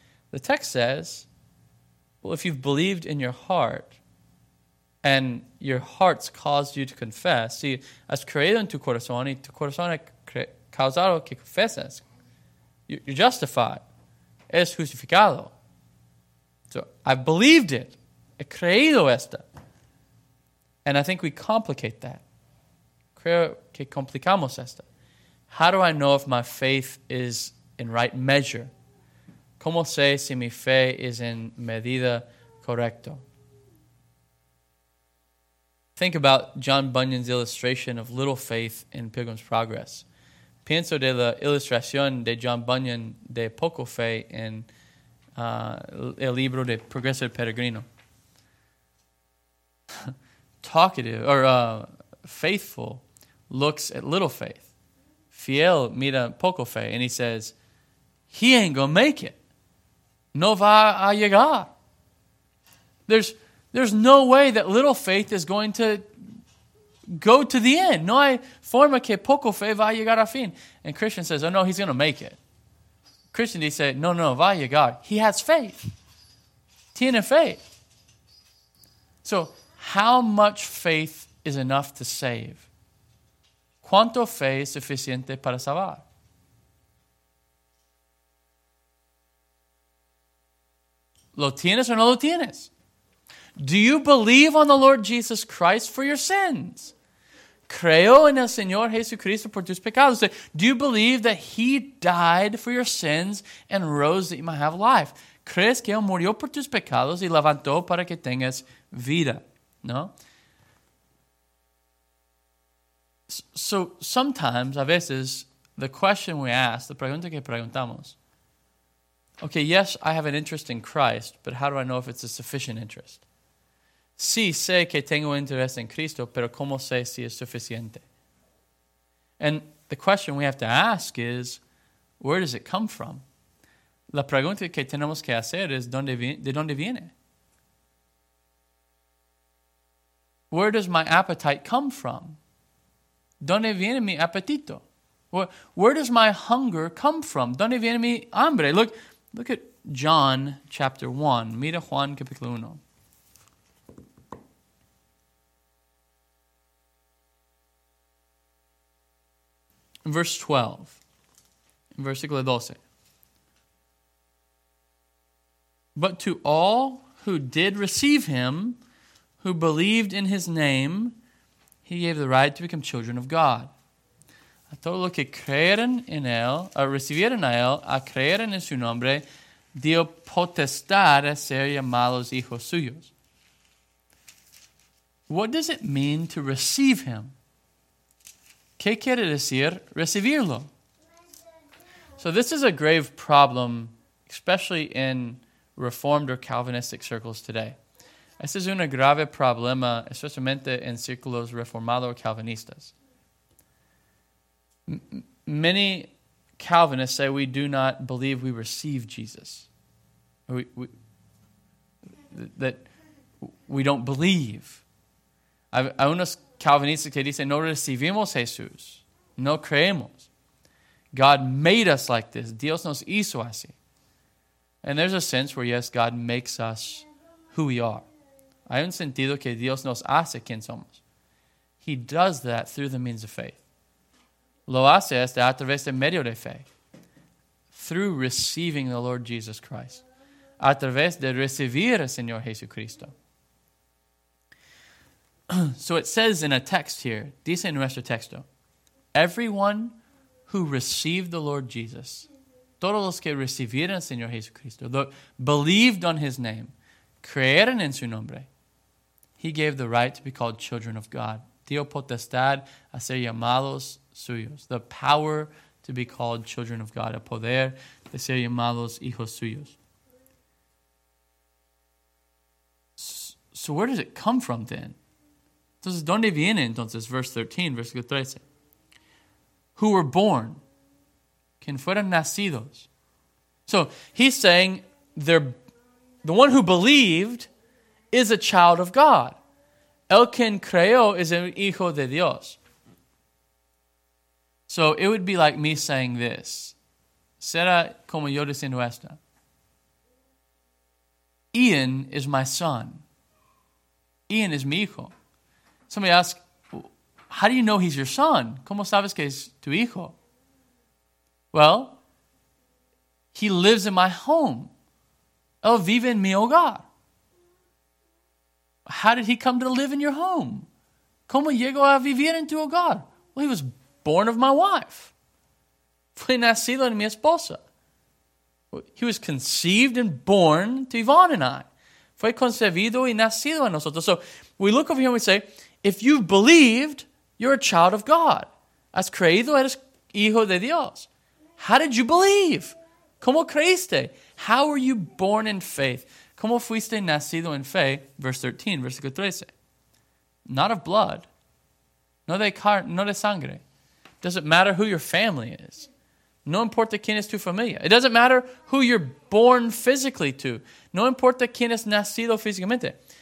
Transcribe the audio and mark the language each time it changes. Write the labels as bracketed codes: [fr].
[en] The text says, well, if you've believed in your heart and your heart's caused you to confess, [es] si has creído en tu corazón y tu corazón ha causado que confeses, [en] you're justified. [es] Eres justificado. [en] So I believed it. [es] He creído esta. [en] And I think we complicate that. [es] Creo que complicamos esta. [en] How do I know if my faith is in right measure? [es] ¿Cómo sé si mi fe es en medida correcta? [en] Think about John Bunyan's illustration of little faith in Pilgrim's Progress. [es] Pienso de la ilustración de John Bunyan de poco fe en el libro de Progreso del Peregrino. [en] Talkative or faithful looks at little faith. [es] Fiel mira poco fe, [en] and he says, he ain't gonna make it. [es] No va a llegar. [en] There's no way that little faith is going to go to the end. [es] No hay forma que poco fe va a llegar a fin. [en] And Christian says, oh no, he's gonna make it. Christian, he said, [es] no, va a llegar. [en] He has faith. [es] Tiene fe. [en] So, how much faith is enough to save? [es] ¿Cuánto fe es suficiente para salvar? ¿Lo tienes o no lo tienes? [en] Do you believe on the Lord Jesus Christ for your sins? [es] ¿Creo en el Señor Jesucristo por tus pecados? [en] Do you believe that He died for your sins and rose that you might have life? [es] ¿Crees que Él murió por tus pecados y levantó para que tengas vida? [en] No? So sometimes, [es] a veces, [en] the question we ask, the [es] pregunta que preguntamos, [en] okay, yes, I have an interest in Christ, but how do I know if it's a sufficient interest? [es] Sí, sé que tengo interés en Cristo, pero ¿cómo sé si es suficiente? [en] And the question we have to ask is, where does it come from? [es] La pregunta que tenemos que hacer es, ¿de dónde viene? [en] Where does my appetite come from? [es] ¿Dónde viene mi apetito? [en] Where does my hunger come from? [es] ¿Dónde viene mi hambre? [en] Look at John chapter 1. [es] Mira Juan capítulo 1. [en] Verse 12. But to all who did receive him, who believed in his name, he gave the right to become children of God. [es] A todo lo que creyeron en él, a recibieron a él, a creyeron en su nombre, dio potestad a ser llamados hijos suyos. [en] What does it mean to receive him? [es] ¿Qué quiere decir recibirlo? [en] So this is a grave problem, especially in Reformed or Calvinistic circles today. [es] Este es un grave problema, especialmente en círculos reformados o calvinistas. [en] Many Calvinists say we do not believe we receive Jesus. That we don't believe. [es] Hay unos calvinistas que dicen no recibimos Jesús. No creemos. God made us like this. Dios nos hizo así. [en] And there's a sense where, yes, God makes us who we are. [es] Hay un sentido que Dios nos hace quien somos. [en] He does that through the means of faith. [es] Lo hace este a través de medio de fe. [en] Through receiving the Lord Jesus Christ. [es] A través de recibir al Señor Jesucristo. [en] So it says in a text here, [es] dice en nuestro texto, [en] everyone who received the Lord Jesus, [es] todos los que recibieron al Señor Jesucristo, [en] believed on his name, [es] creyeron en su nombre, [en] he gave the right to be called children of God. [es] Dio potestad a ser llamados suyos. [en] The power to be called children of God. [es] El poder de ser llamados hijos suyos. [en] So where does it come from then? [es] Entonces, ¿dónde viene entonces? [en] Verse 13, [es] versículo 13. [en] Who were born. [es] Quien fueron nacidos. [en] So he's saying the one who believed is a child of God. [es] El quien creyó es un hijo de Dios. [en] So it would be like me saying this. [es] Será como yo diciendo esto. [en] Ian is my son. Ian is [es] mi hijo. [en] Somebody asks, how do you know he's your son? [es] ¿Cómo sabes que es tu hijo? [en] Well, he lives in my home. [es] Él vive en mi hogar. [en] How did he come to live in your home? [es] ¿Cómo llegó a vivir en tu hogar? [en] Well, he was born of my wife. [es] Fue nacido en mi esposa. [en] He was conceived and born to Yvonne and I. [es] Fue concebido y nacido en nosotros. [en] So we look over here and we say, if you've believed, you're a child of God. [es] Has creído, eres hijo de Dios. [en] How did you believe? [es] ¿Cómo creíste? [en] How were you born in faith? [es] ¿Cómo fuiste nacido en fe? [en] Verse 13, [es] versículo 13. [en] Not of blood. [es] No de sangre. [en] Doesn't matter who your family is. [es] No importa quién es tu familia. [en] It doesn't matter who you're born physically to. [es] No importa quién es nacido físicamente.